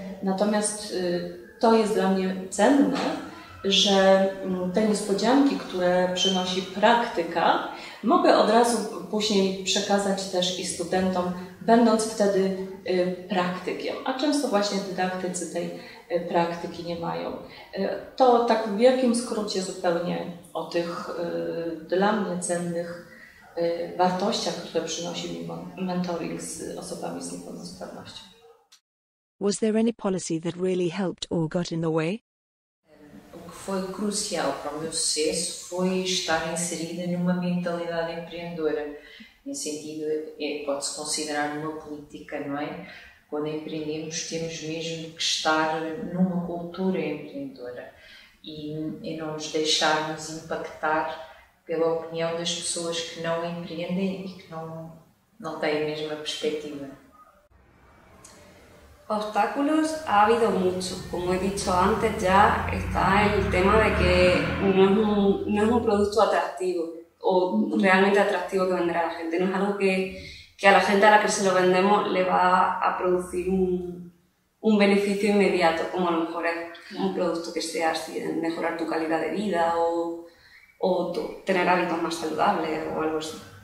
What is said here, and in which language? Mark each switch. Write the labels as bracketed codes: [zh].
[pl] Natomiast to jest dla mnie cenne, że te niespodzianki, które przynosi praktyka, mogę od razu później przekazać też i studentom, będąc wtedy praktykiem. A często właśnie dydaktycy tej praktyki nie mają. To tak w wielkim skrócie zupełnie o tych dla mnie cennych wartościach, które przynosi mi mentoring z osobami z niepełnosprawnością. [en] Was there any policy that really helped or got in the way? [pt] foi crucial para o meu sucesso foi estar inserida numa mentalidade empreendedora. Nesse sentido, pode-se considerar uma política, não é? Quando empreendemos, temos mesmo que estar numa cultura empreendedora e não nos deixarmos impactar pela opinião das pessoas que não empreendem e que não têm a mesma perspectiva. [es] Obstáculos ha habido muchos, como he dicho antes, ya está el tema de que no es un producto atractivo o realmente atractivo que vender a la gente, no es algo que a la gente a la que se lo vendemos le va a producir un beneficio inmediato, como a lo mejor es un producto que sea así, mejorar tu calidad de vida o tener hábitos más saludables o algo así.